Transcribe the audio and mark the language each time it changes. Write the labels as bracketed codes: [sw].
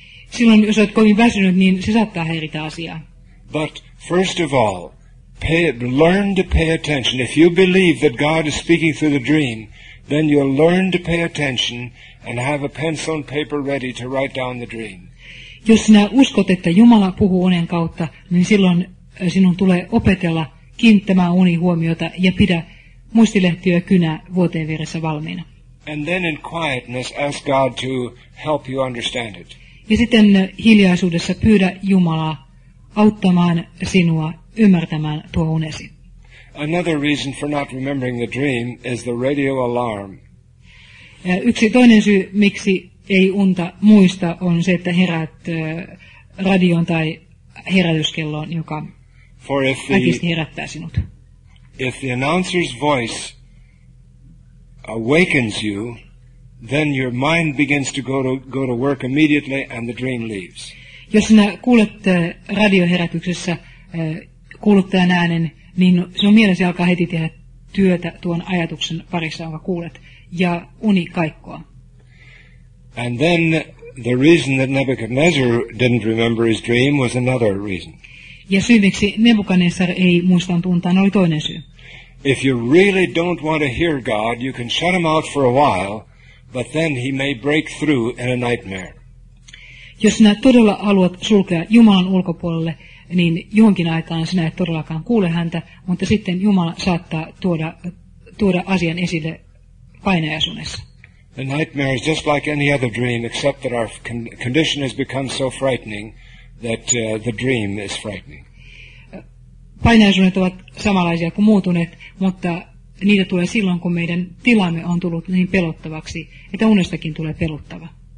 [fi] Silloin, jos olet kovin väsynyt, niin se saattaa häiritä asiaa. [en] But first of all, learn to pay attention. If you believe that God is speaking through the dream, then you'll learn to pay attention and have a pencil and paper ready to write down the dream. [fi] Jos sinä uskot, että Jumala puhuu unen kautta, niin silloin sinun tulee opetella kiinnittämään unihuomiota ja pidä muistilehti ja kynä vuoteen vieressä valmiina. [en] And then in quietness ask God to help you understand it. [fi] Ja sitten hiljaisuudessa pyydä Jumalaa auttamaan sinua ymmärtämään tuo unesi. [en] Another reason for not remembering the dream is the radio alarm. [fi] Ja yksi toinen syy, miksi ei unta muista, on se, että heräät radion tai herätyskelloon, joka äkisti herättää sinut. [en] If the announcer's voice awakens you, then your mind begins to go to work immediately and the dream leaves. [fi] Jos sinä kuulet radioherätyksessä kuuluttajan äänen, niin sinun mielesi alkaa heti tehdä työtä tuon ajatuksen parissa, jonka kuulet, ja uni kaikkoa. [en] And then the reason that Nebuchadnezzar didn't remember his dream was another reason. [fi] Ja syy, miksi Nebukadnessar ei muistanut untaan, oli toinen syy. [en] If you really don't want to hear God, you can shut him out for a while, but then he may break through in a nightmare. [fi] Jos sinä todella haluat sulkea Jumalan ulkopuolelle, niin johonkin aikaan sinä et todellakaan kuule häntä, mutta sitten Jumala saattaa tuoda asian esille painajaisunessa. [en] The nightmare is just like any other dream, except that our condition has become so frightening that the dream is frightening. [fi] Painajaisunet ovat samanlaisia kuin muutuneet, mutta niitä tulee silloin, kun meidän tilamme on tullut niin pelottavaksi, että unestakin tulee peluttava.